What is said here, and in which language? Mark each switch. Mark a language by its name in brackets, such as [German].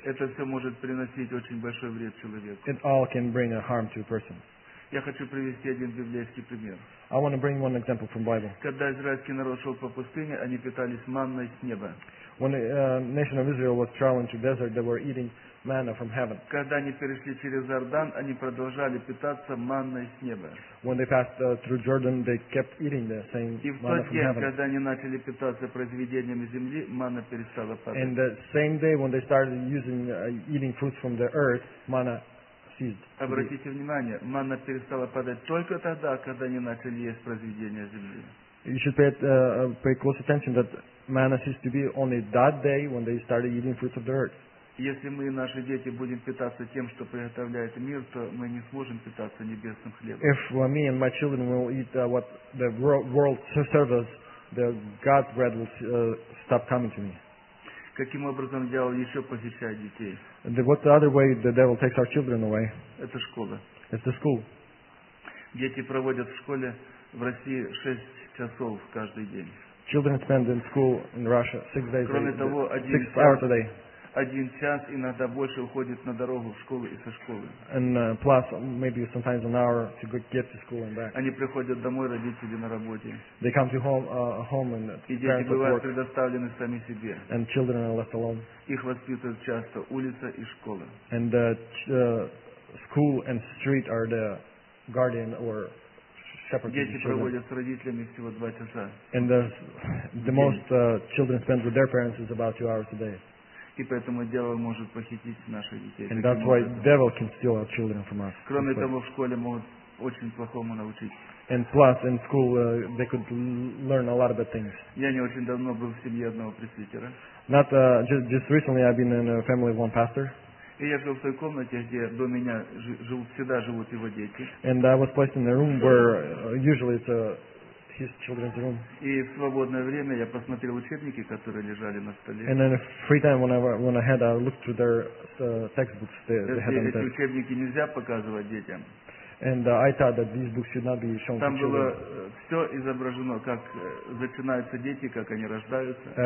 [Russian] Это все может приносить очень большой вред человеку. [English] It all can bring a harm to a person. [Russian] Я хочу привести один библейский пример. [English] I want to bring one example from Bible. [Russian] Когда израильский народ шел по пустыне, они питались манной с неба. [English] When the nation of Israel was traveling to desert, they were eating manna from heaven. [Russian] Когда они перешли через Иордан, они продолжали питаться манной с неба. [English] When they passed through Jordan, they kept eating the same manna from heaven. [Russian] И в тот день, когда они начали питаться произведениями земли, манна перестала падать. [English] And the same day when they started using eating fruits from the earth, manna ceased. [Russian] Обратите внимание, манна перестала падать только тогда, когда они начали есть произведения земли. [English] You should pay close attention that manna ceased to be only that day when they started eating fruits of the earth. [Russian] Если мы и наши дети будем питаться тем, что приготовляет мир, то мы не сможем питаться небесным хлебом. [English] If me and my children will eat what the world serves us, the God's bread will stop coming to me. [Russian] Каким образом дьявол еще посещает детей? [English] What other way the devil takes our children away? [Russian] Это школа. [English] It's the school. [Russian] Дети проводят в школе в России 6 часов каждый день. [English] Children spend in school in Russia 6 days a day. 6 hours a day. [Russian] Один час иногда больше уходит на дорогу в школу и со школы. [English] And plus maybe sometimes an hour to get to school and back. [Russian] Они приходят домой, родители на работе. [English] They come to home, home and [Russian] и дети бывают предоставлены сами себе. [English] And children are left alone. [Russian] Их воспитывают часто улица и школа. [English] And school and street are the guardian or shepherd. [Russian] Дети проводят с родителями всего 2 часа. [English] And the most children spend with their parents is about 2 hours a day. [Russian] И поэтому дьявол может похитить наших детей. [English] And that's why devil can steal our children from us. [Russian] Кроме того, в школе могут очень плохому научить. [English] And plus, in school, they could learn a lot of bad things. [Russian] Я не очень давно был в семье одного пресвитера. [English] Not just recently, I've been in a family of one pastor. [Russian] И я жил в той комнате, где до меня всегда живут его дети. [English] And I was placed in a room where usually it's his children's room. [Russian] И в свободное время я посмотрел учебники, которые лежали на столе. [English] And in free time, when I looked through their textbooks, they had on the desk. [Russian] Эти учебники нельзя показывать детям. [English] And I thought that these books should not be shown to children. [Russian] Там было все изображено, как начинаются дети, как они рождаются.